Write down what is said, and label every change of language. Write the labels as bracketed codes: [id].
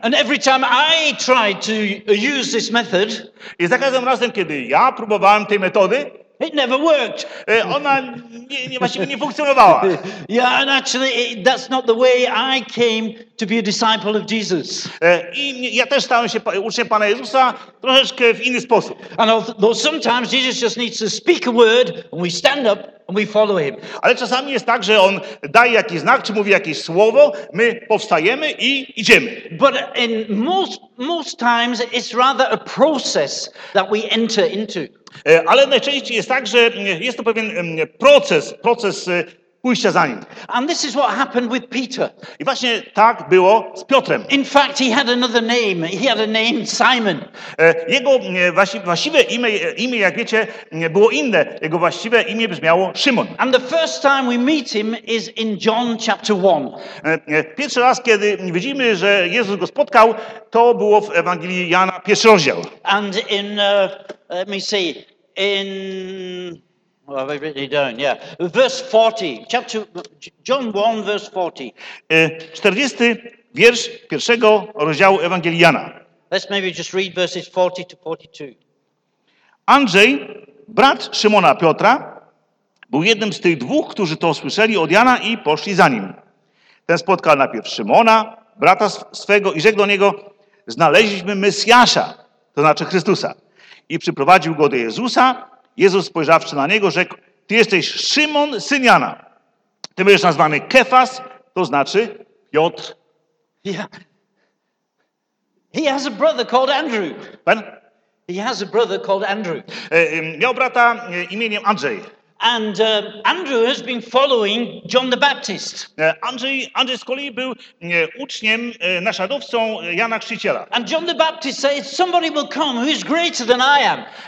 [en] And every time I tried to use this method, [pl] i za każdym razem, kiedy ja próbowałem tej metody, [en] it never worked. [pl] Ona nie funkcjonowała. [en] Yeah, and actually that's not the way I came to be a disciple of Jesus. [pl] I ja też stałem się uczniem Pana Jezusa troszeczkę w inny sposób. [en] And although sometimes Jesus just needs to speak a word and we stand up and we follow him. [pl] Ale czasami jest tak, że on daje jakiś znak, czy mówi jakieś słowo, my powstajemy i idziemy. [en] But in most times it's rather a process that we enter into. [pl] Ale najczęściej jest tak, że jest to pewien proces pójścia za nim. [en] And this is what happened with Peter. [pl] I właśnie tak było z Piotrem. [en] In fact, he had another name. He had a name, Simon. [pl] Jego właściwe imię, jak wiecie, było inne. Jego właściwe imię brzmiało Szymon. [en] And the first time we meet him is in John chapter 1. [pl] Pierwszy raz, kiedy widzimy, że Jezus go spotkał, to było w Ewangelii Jana, pierwszy rozdział. [en] And in, let me see, in... Well, I've written it down, yeah. Verse 40, chapter, John 1, verse 40. [pl] 40 wiersz pierwszego rozdziału Ewangelii Jana. [en] Let's maybe just read verses 40 to 42. [pl] Andrzej, brat Szymona Piotra, był jednym z tych dwóch, którzy to usłyszeli od Jana i poszli za nim. Ten spotkał najpierw Szymona, brata swego, i rzekł do niego, znaleźliśmy Mesjasza, to znaczy Chrystusa. I przyprowadził go do Jezusa. Jezus, spojrzawszy na niego, rzekł, ty jesteś Szymon, syn Jana. Ty będziesz nazwany Kefas, to znaczy Piotr. [en] Yeah. He has a brother called Andrew. [pl] Pan? [en] He has a brother called Andrew. [pl] Miał brata imieniem Andrzej. [en] And Andrew has been following John the Baptist. [pl] Andrzej z kolei był uczniem, naśladowcą Jana Chrzciciela. [en] And John the Baptist says, somebody will come who is greater than I am.